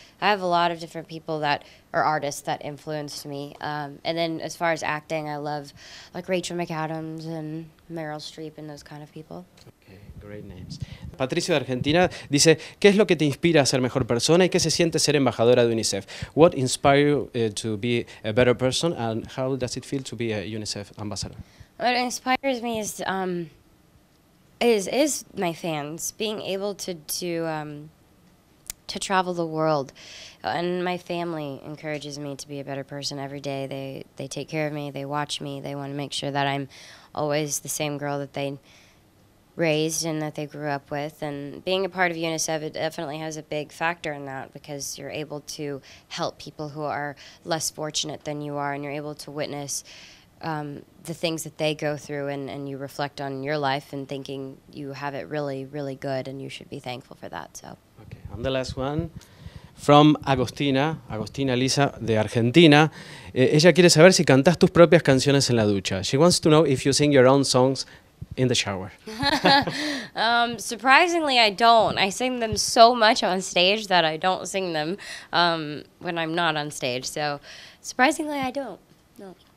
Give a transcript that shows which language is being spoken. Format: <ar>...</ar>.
<en>I have a lot of different people that are artists that influenced me. And then as far as acting, I love like Rachel McAdams and Meryl Streep and those kind of people. Okay, great names.</en> <es>Patricio de Argentina dice, ¿qué es lo que te inspira a ser mejor persona y qué se siente ser embajadora de UNICEF?</es> <en>What inspires you to be a better person and how does it feel to be a UNICEF ambassador? What inspires me is my fans, being able to travel the world. And my family encourages me to be a better person every day. They take care of me, they watch me, they want to make sure that I'm always the same girl that they raised and that they grew up with. And being a part of UNICEF, it definitely has a big factor in that, because you're able to help people who are less fortunate than you are, and you're able to witness the things that they go through, and you reflect on your life and thinking you have it really, really good, and you should be thankful for that. So. Okay, I'm the last one. From Agostina Lisa de Argentina.</en> <es>Ella quiere saber si cantas tus propias canciones en la ducha.</es> <en>She wants to know if you sing your own songs in the shower. Surprisingly, I don't. I sing them so much on stage that I don't sing them when I'm not on stage. So, surprisingly, I don't. No.</en>